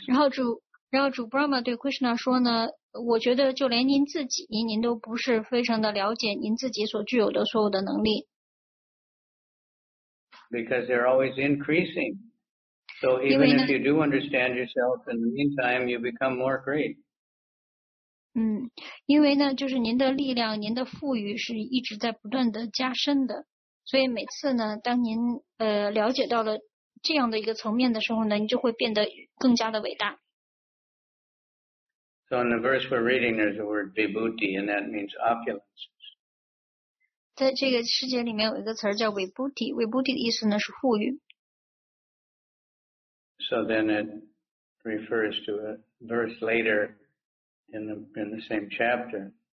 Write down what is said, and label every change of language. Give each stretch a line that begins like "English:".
Chinese: 然后主 Brahma 对 Krishna 说呢，我觉得就连您自己，您都不是非常的了解您自己所具有的所有的能力。
English: Because they're always increasing. So even if you do understand yourself, in the meantime, you become more great.
Chinese: 因为呢，就是您的力量，您的富裕是一直在不断的加深的。所以每次呢，当您了解到了这样的一个层面的时候呢，你就会变得更加的伟大。
English: So in the verse we're reading, there's the word vibhuti, and that means opulence.
Chinese: 在这个世界里面有一个词叫 vibhuti， vibhuti 的意思呢是富裕。
English: So then it refers to a verse later in the same chapter.